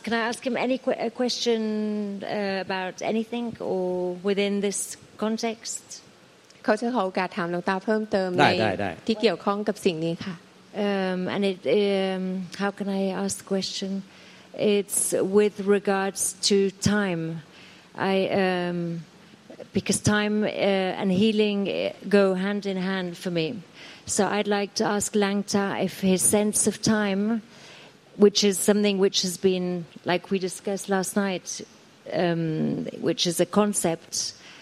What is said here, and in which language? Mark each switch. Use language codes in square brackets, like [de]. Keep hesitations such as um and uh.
[en] Can I ask him any que- a question uh, about anything or within this context? [th] เขาจะขอโอกาสถามหลวงตาเพิ่มเติม ได้ ใน ได้ได้ ที่เกี่ยวข้องกับสิ่งนี้ค่ะ [en] Um, and it, um, how can I ask the question? It's with regards to time. I um, because time uh, and healing uh, go hand in hand for me. So I'd like to ask Langta if his sense of time, which is something which has been like we discussed last night, um, which is a concept.